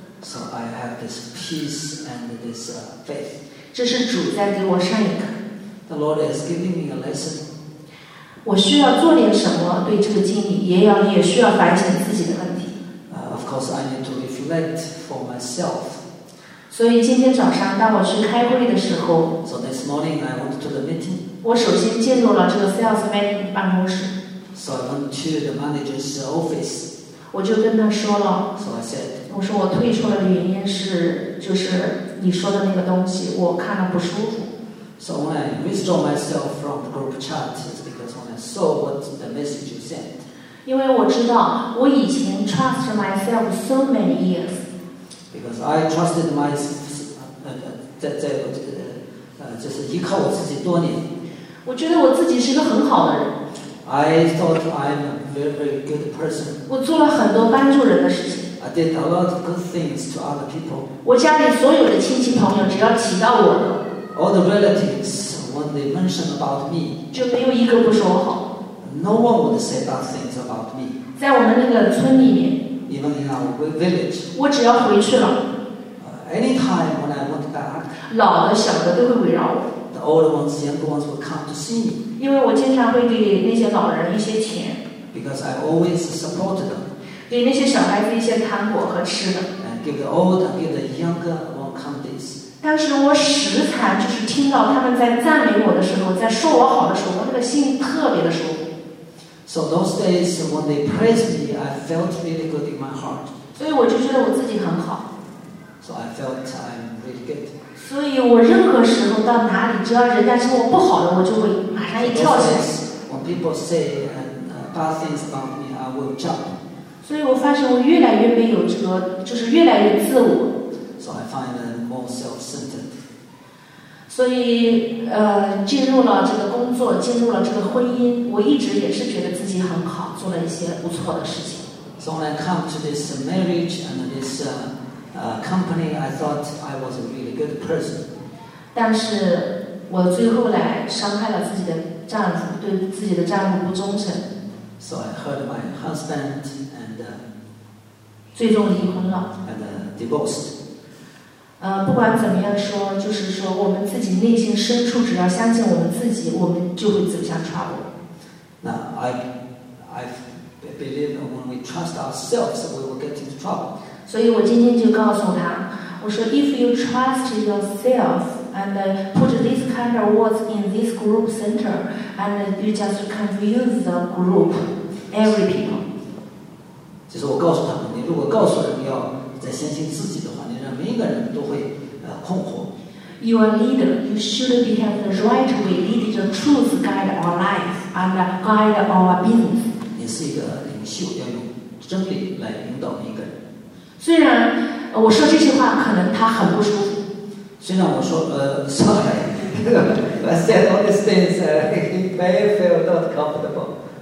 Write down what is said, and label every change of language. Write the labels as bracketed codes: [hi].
[en] So I have this peace and this faith. [zh] 这是主在给我上一课。 [en] The Lord is giving me a lesson. [zh] 我需要做点什么对这个经历，也需要反省自己的问题。 [en] Of course, I need to reflect for myself. [zh] 所以今天早上当我去开会的时候 [en] ，So this morning I went to the meeting. [zh] 我首先进入了这个 salesman 办公室。 [en] So I went to the manager's office. [zh] 我就跟他说了。 [en] So I said. [zh] 我说我退出的原因是，就是你说的那个东西，我看了不舒服。 [en] So when I withdraw myself from the group chat, it's because when I saw what the message you sent. [zh] 因为我知道我以前 [en] trust myself so many years. Because I trusted myself, [zh] 就是依靠我自己多年。我觉得我自己是个很好的人。 [en] I thought I'm a very, very good person. [zh] 我做了很多帮助人的事情。 [en] I did a lot of good things to other people. [zh] 我家里所有的亲戚朋友只要提到我的。 [en] All the relatives, when they mention about me, [zh] 就没有一个不说我好。 [en] No one would say bad things about me. [zh] 在我们那个村里面。 [en] Even in our village. [zh] 我只要回去了。 [en] Anytime when I went back. [zh] 老的小的都会围绕我。 [en] The older ones, younger ones would come to see me. [zh] 因为我经常会给那些老人一些钱。 [en] Because I always support them. [zh] 给那些小孩子一些糖果和吃的。 [en] And give the older, give the younger one candies. [zh] 但是我时常就是听到他们在赞美我的时候，在说我好的时候，我那个心特别的舒服。 [en] So those days when they praised me, I felt really good in my heart. [zh] 所以我就觉得我自己很好。 [en] So I felt I'm really good. [zh] 所以我任何时候到哪里，只要人家说我不好的，我就会马上一跳起来。 [en] So when people say bad things about me, I will jump. [zh] 所以我发现我越来越没有这个，就是越来越自我。 [en] So I find that more self-centered. [zh] 所以进入了这个工作，进入了这个婚姻，我一直也是觉得自己很好，做了一些不错的事情。 [en] So when I come to this marriage and this company, I thought I was a really good person. [zh] 但是我最后来伤害了自己的丈夫，对自己的丈夫不忠诚。 [en] So I hurt my husband and [zh] 最终离婚了。 [en] And divorced. [zh] 不管怎么样说，就是说我们自己内心深处只要相信我们自己，我们就会走向 trouble。 [en] Now I believe when we trust ourselves we will get into trouble。 [zh] 所以我今天就告诉他，我说 [en] if you trust yourself and put this kind of words in this group center and you just confuse the group every people。 [zh] 其实我告诉他们，你如果告诉人要再相信自己的话，每一个人都会困惑。 [en] You are leader. You should be have the right way, lead the truth, guide our life, and guide our business. [zh] 你是一个领袖，要用真理来引导每一个人。虽然我说这些话，可能他很不舒服。虽然我说 [en] sorry, I said all these things, he may feel not comfortable.